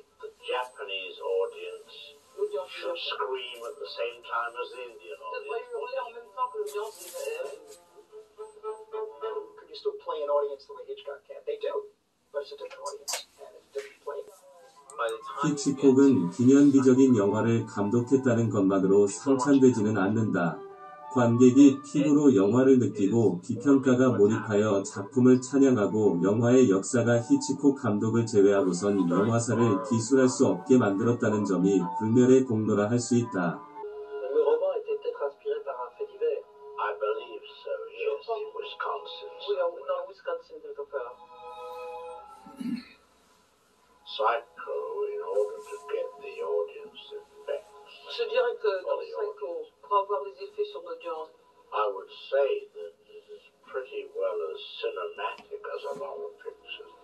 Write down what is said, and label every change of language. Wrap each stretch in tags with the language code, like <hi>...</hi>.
<en>the Japanese audience should scream at the same time as the Indian audience. Could you still play an audience the way Hitchcock can? They do, but it's a different audience and it's a different play.</en> <ko>히치콕은 기념비적인 영화를 감독했다는 것만으로 상찬되지는 않는다. 관객이 TV로 영화를 느끼고 비평가가 몰입하여 작품을 찬양하고 영화의 역사가 히치콕 감독을 제외하고선 영화사를 기술할 수 없게 만들었다는 점이 불멸의 공로라 할 수 있다.</ko> <fr>Le roman était peut-être inspiré par un fait divers.</fr> <en>I believe so, yes, in Wisconsin.</en> <fr>Oui, en Wisconsin, de ton père.</fr> <en>Psycho, in order to get the audience effects.</en> <fr>Je dirais que dans Psycho, pour avoir les effets sur l'audience.</fr> <en>I would say that this is pretty well as cinematic as a lot of pictures.</en>